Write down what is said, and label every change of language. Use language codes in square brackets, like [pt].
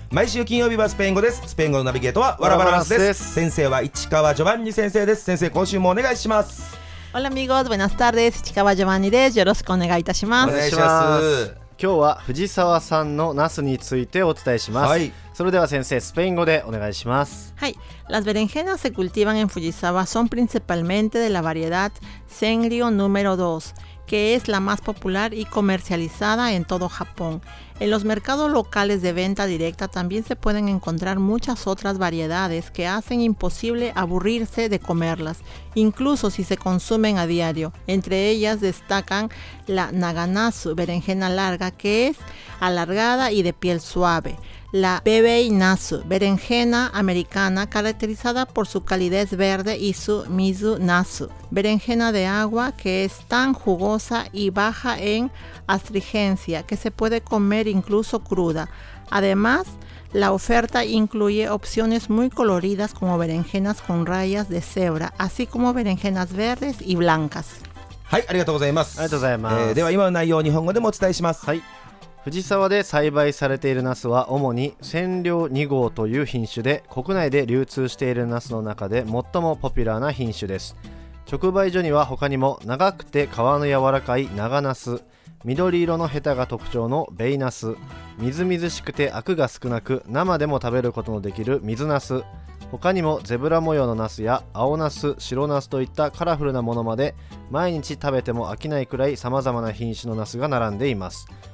[ja] 毎週金曜日はスペイン語です。スペイン語のナビゲートはワラバランスです。先生は市川ジョバンニ先生です。先生、今週もお願いします。 [es] オラミゴーズベナスタール [ja] です。市川ジョバンニです。よろしくお願いいたします。お願いします。今日は藤沢さんのナスについてお伝えします、はい、それでは先生、スペイン語でお願いします。はい。 [es] Las berenjenas se cultivan en Fujisawa son principalmente de la variedad Sengrio número 2, que es la más popular y comercializada en todo Japón. En los mercados locales de venta directa también se pueden encontrar muchas otras variedades que hacen imposible aburrirse de comerlas, incluso si se consumen a diario. Entre ellas destacan la Naganasu, berenjena larga, que es alargada y de piel suave. La Bebei Nasu, berenjena americana caracterizada por su calidez verde, y su Mizu Nasu, berenjena de agua que es tan jugosa y baja en astringencia que se puede comer incluso cruda. Además, la oferta incluye opciones muy coloridas como berenjenas con rayas de cebra, así como berenjenas verdes y blancas. [ja] はい、ありがとうございます。ありがとうございます。では今の内容を日本語でもお伝えします。はい。藤沢で栽培されているナスは主に千両2号という品種で、国内で流通しているナスの中で最もポピュラーな品種です。直売所には他にも長くて皮の柔らかい長ナス、緑色のヘタが特徴のベイナス、みずみずしくてアクが少なく生でも食べることのできる水ナス、他にもゼブラ模様のナスや青ナス、白ナスといったカラフルなものまで、毎日食べても飽きないくらい様々な品種のナスが並んでいます。